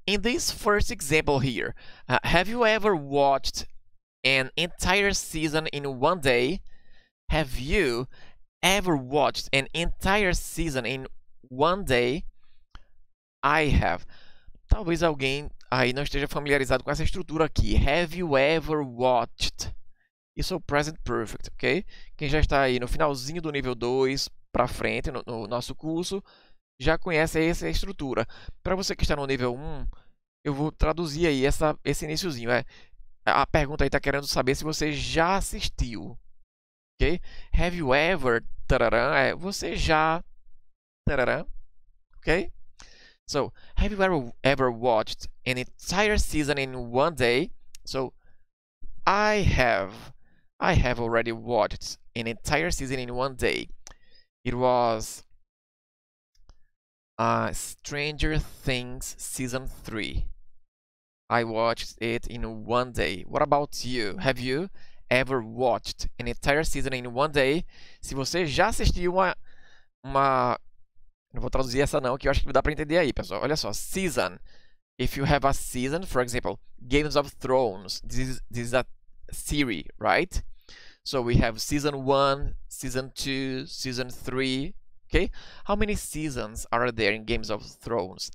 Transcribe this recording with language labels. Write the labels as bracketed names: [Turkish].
[English] In this first example here, have you ever watched an entire season in one day? Have you ever watched an entire season in one day? I have. [Portuguese] Talvez alguém aí não esteja familiarizado com essa estrutura aqui. [English] Have you ever watched? [Portuguese] Isso é o present perfect, ok? Quem já está aí no finalzinho do nível 2 para frente no nosso curso já conhece essa estrutura. Para você que está no nível 1, eu vou traduzir aí esse iniciozinho. A pergunta aí está querendo saber se você já assistiu. [English] Ok? Have you ever? Tararã, [Portuguese] você já. [English] Tararã, ok? So, have you ever watched an entire season in one day? So, I have. I have already watched an entire season in one day. It was Stranger Things season 3. I watched it in one day. What about you? Have you ever watched an entire season in one day? [Portuguese] Se você já assistiu uma. Não vou traduzir essa não, que eu acho que dá para entender aí, pessoal. Olha só, season. [English] If you have a season, for example, Games of Thrones. This is a series, right? So we have season 1, season 2, season 3, okay? How many seasons are there in Games of Thrones?